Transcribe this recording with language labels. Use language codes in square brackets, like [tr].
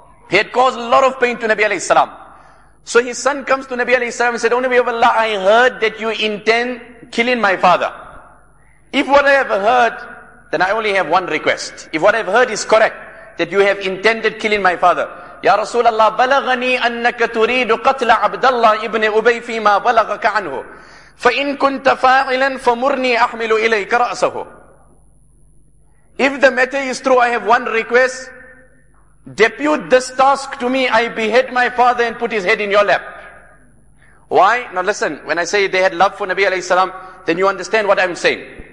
[en] He had caused a lot of pain to Nabi alayhi salam. So his son comes to Nabi alayhi salam and said, O Nabi of Allah, I heard that you intend killing my father. If what I have heard, then I only have one request. If what I have heard is correct, that you have intended killing my father, [ar] يا رسول الله بلغني أنك تريد قتل عبد الله ابن أبي فيما بلغك عنه فإن كنت فاعلا فمرني أحمل إليك رأسه. [en] If the matter is true, I have one request. Depute this task to me. I behead my father and put his head in your lap. Why? Now listen, when I say they had love for Nabi alayhi salam, then you understand what I'm saying.